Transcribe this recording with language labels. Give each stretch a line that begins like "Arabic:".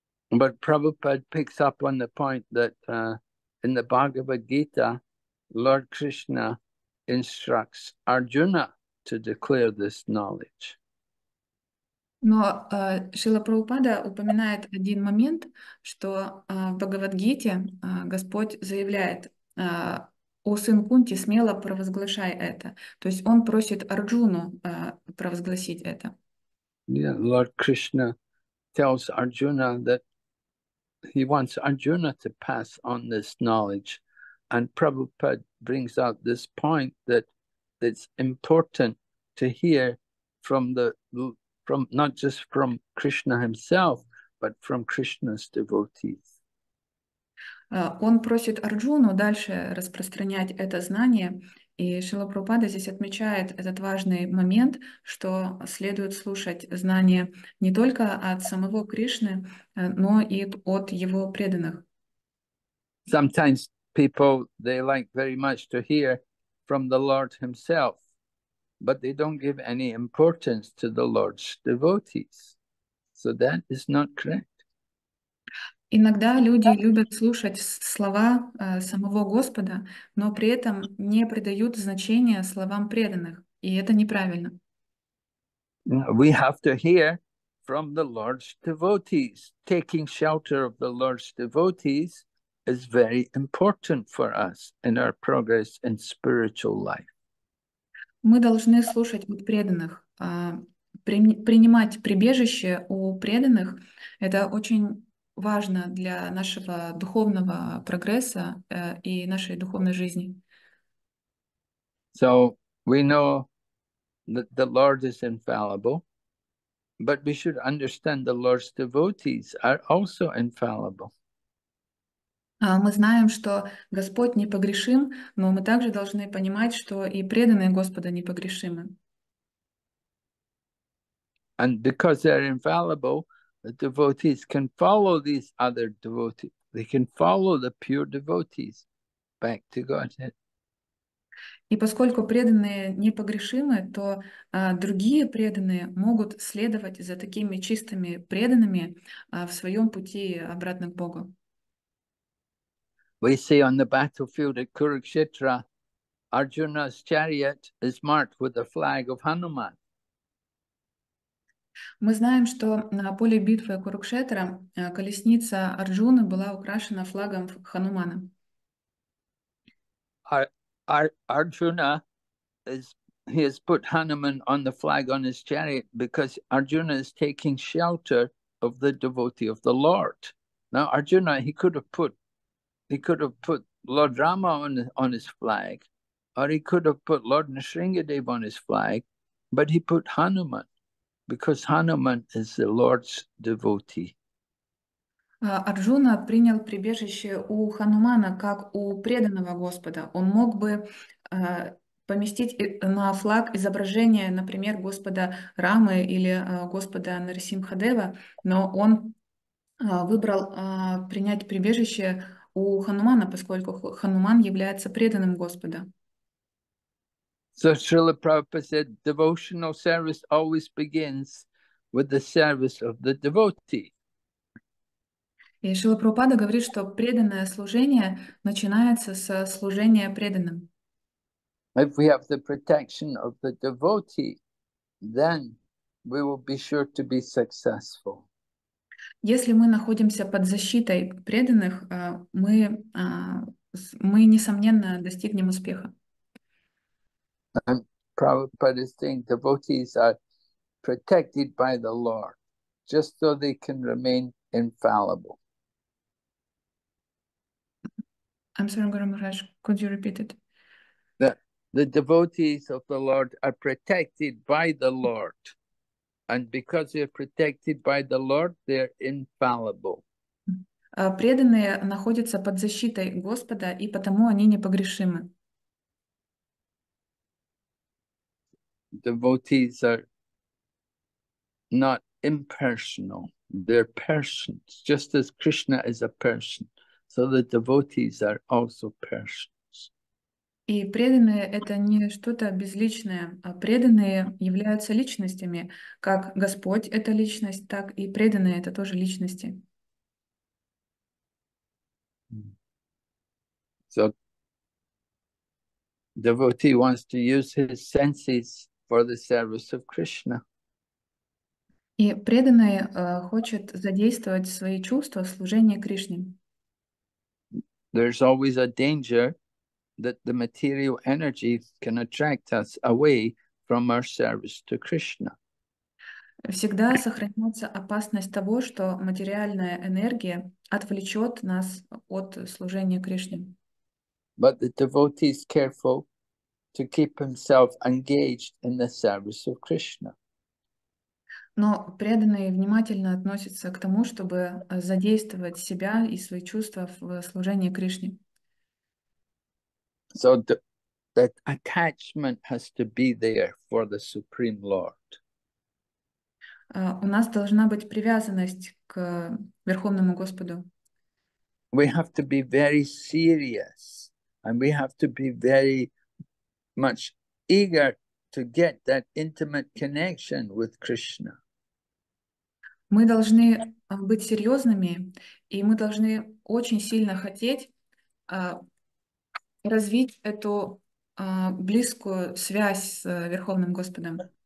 English: But Prabhupada picks up on the point that in the Bhagavad Gita, Lord Krishna instructs Arjuna to declare this knowledge.
Russian: Но Шрила Прабхупада упоминает один момент, что в Бхагавадгите Господь заявляет: «О сын Кунти, смело провозглашай это». То есть он просит Арджуну провозгласить это.
English: Yeah, Lord Krishna tells Arjuna that he wants Arjuna to pass on this knowledge. And Prabhupada brings out this point that it's important to hear from the from not just from Krishna himself, but from Krishna's devotees.
Russian: Он просит Арджуну дальше распространять это знание, и Шрила Прабхупада здесь отмечает этот важный момент, что следует слушать знание не только от самого Кришны, но и от его преданных.
English: Sometimes people, they like very much to hear from the Lord himself, but they don't give any importance to the Lord's devotees. So that is not correct.
Russian: Иногда люди любят слушать слова самого Господа, но при этом не придают значения словам преданных, и это неправильно.
English: We have to hear from the Lord's devotees. Taking shelter of the Lord's devotees is very important for us in our progress in spiritual life.
Russian: Мы должны слушать от преданных. Принимать прибежище у преданных — это очень важно для нашего духовного прогресса и нашей духовной жизни.
English: So we know that the Lord is infallible, but we should understand the Lord's devotees are also infallible.
Russian: Мы знаем, что Господь непогрешим, но мы также должны понимать, что и преданные Господа непогрешимы.
English: And because they are infallible, the devotees can follow these other devotees. They can follow the pure devotees back to Godhead.
Russian: И поскольку преданные непогрешимы, то другие преданные могут следовать за такими чистыми преданными в своем пути обратно к Богу.
English: We see on the battlefield at Kurukshetra, Arjuna's chariot is marked with the flag of Hanuman.
Russian: Мы знаем, что на поле битвы Курукшетра колесница Арджуны была украшена флагом Ханумана.
English: Arjuna has put Hanuman on the flag on his chariot because Arjuna is taking shelter of the devotee of the Lord. Now Arjuna, he could have put Lord Rama on his flag, or he could have put Lord Nrisingadev on his flag, but he put Hanuman. Because Hanuman is the Lord's devotee.
Russian: Арджуна принял прибежище у Ханумана как у преданного Господа. Он мог бы поместить на флаг изображение, например, Господа Рамы или Господа Нарсимхадева, но он выбрал принять прибежище у Ханумана, поскольку Хануман является преданным Господа.
English: So Srila Prabhupada said, devotional service always begins with the service of the devotee.
Russian: И Шрила Прабхупада говорит, что преданное служение начинается со служения преданным.
English: If we have the protection of the devotee, then we will be sure to be successful.
Russian: Если мы находимся под защитой преданных, мы несомненно достигнем успеха.
English: And Prabhupada is saying devotees are protected by the Lord, just so they can remain infallible. I'm sorry, Guru Maharaj, could you repeat it? The devotees of the Lord are protected by the Lord, and because they are protected by the Lord, they are infallible.
Russian: Преданные находятся под защитой Господа, и потому они непогрешимы.
English: Devotees are not impersonal, they're persons, just as Krishna is a person, so the devotees are also persons.
Russian: И преданные — это не что-то безличное, а преданные являются личностями, как Господь — это личность, так и преданные — это тоже личности.
English: So Devotee wants to use his senses for the service of Krishna.
Russian: И преданный хочет задействовать свои чувства в служении Кришне.
English: There's always a danger that the material energy can attract us away from our service to Krishna.
Russian: Всегда сохраняется опасность того, что материальная энергия отвлечет нас от служения Кришне.
English: But the devotee is careful to keep himself engaged in the service of Krishna.
Russian: Но преданный внимательно относится к тому, чтобы задействовать себя и свои чувства в служении Кришне.
English: So that attachment has to be there for the Supreme Lord.
Russian: У нас должна быть привязанность к Верховному Господу.
English: We have to be very serious, and we have to be very much eager to get that intimate connection with Krishna.
Russian: Мы должны быть серьезными, и мы должны очень сильно хотеть развить эту близкую связь с Верховным Господом.